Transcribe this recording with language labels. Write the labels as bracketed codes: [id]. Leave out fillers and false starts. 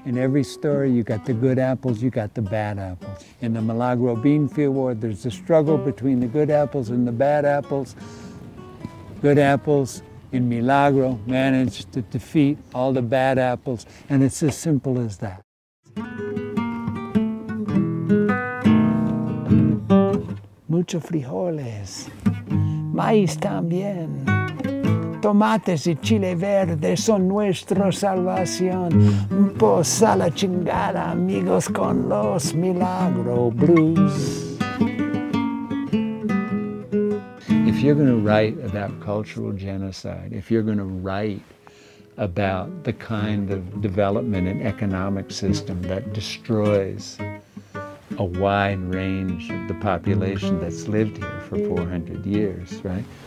[en] In every story, you got the good apples, you got the bad apples. In the Milagro Beanfield War, there's a struggle between the good apples and the bad apples. Good apples in Milagro managed to defeat all the bad apples, and it's as simple as that. [es] Mucho frijoles, maíz también. Tomates y chile verde son nuestra salvación. Posa la chingada, amigos, con los Milagro Blues. [en] If you're going to write about cultural genocide, if you're going to write about the kind of development and economic system that destroys a wide range of the population that's lived here for 400 years, right?